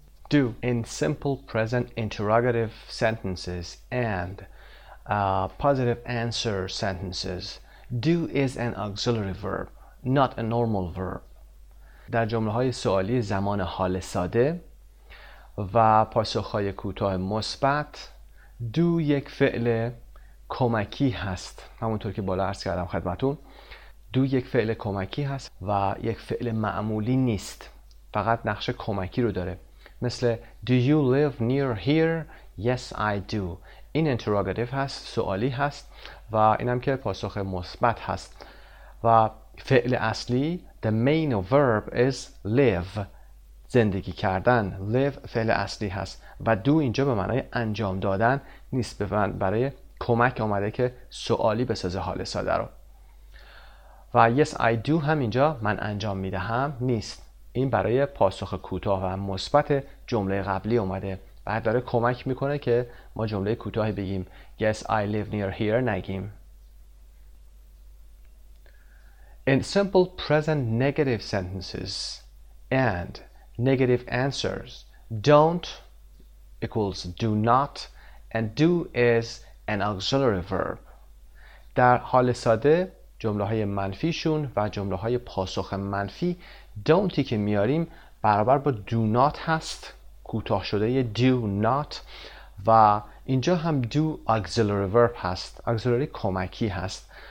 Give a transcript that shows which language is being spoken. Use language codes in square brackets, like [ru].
[en] Do in simple present interrogative sentences and positive answer sentences. Do is an auxiliary verb, not a normal verb. [fa] در جمله های سوالی زمان حال ساده و پاسخ های کوتاه مثبت، do یک فعل کمکی هست، همونطور که بالا عرض کردم خدمتون، do یک فعل کمکی هست و یک فعل معمولی نیست، فقط نقش کمکی رو داره، مثل [en] Do you live near here? Yes, I do. [fa] این interrogative هست، سوالی هست و اینم که پاسخ مثبت هست. و فعل اصلی [en] The main verb is live. [fa] زندگی کردن. Live فعل اصلی هست. و do اینجا به معنای انجام دادن نیست. برای کمک آمده که سوالی بسازه حال ساده رو. و [en] Yes, I do [fa] هم اینجا من انجام میدهم نیست. این برای پاسخ کوتاه و مثبت جمله قبلی اومده، بعد داره کمک میکنه که ما جمله کوتاه بگیم [en] Yes, I live near here [fa] نگیم. [en] In simple present negative sentences and negative answers, don't equals do not and do is an auxiliary verb. [fa] در حال ساده جمله های منفیشون و جمله های پاسخ منفی don'tی که میاریم برابر با do not هست، کوتاه شده یه do not، و اینجا هم do auxiliary verb هست، auxiliary کمکی هست.